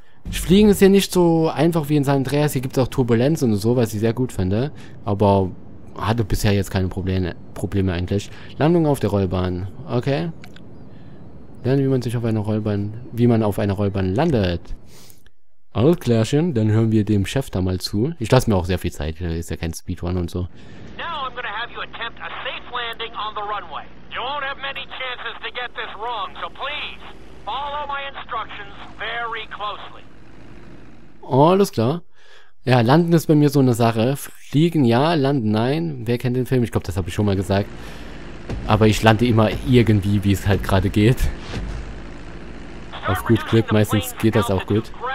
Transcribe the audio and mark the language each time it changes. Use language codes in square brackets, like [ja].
[de] Fliegen ist hier nicht so einfach wie in San Andreas. Hier gibt es auch Turbulenz und so, was ich sehr gut finde. Aber hatte bisher jetzt keine Probleme eigentlich. Landung auf der Rollbahn. Okay. Lernen, wie man sich auf einer Rollbahn... Wie man auf einer Rollbahn landet. Alles klärchen. Dann hören wir dem Chef da mal zu. Ich lasse mir auch sehr viel Zeit. Da ist ja kein Speedrun und so. [en] Now I'm gonna have you attempt a safe landing on the runway. You won't have many chances to get this wrong, so please follow my instructions very closely. [de] Alles klar. Ja, landen ist bei mir so eine Sache. Fliegen ja, landen nein. Wer kennt den Film? Ich glaube, das habe ich schon mal gesagt. Aber ich lande immer irgendwie, wie es halt gerade geht. Auf gut Glück, meistens geht das auch gut.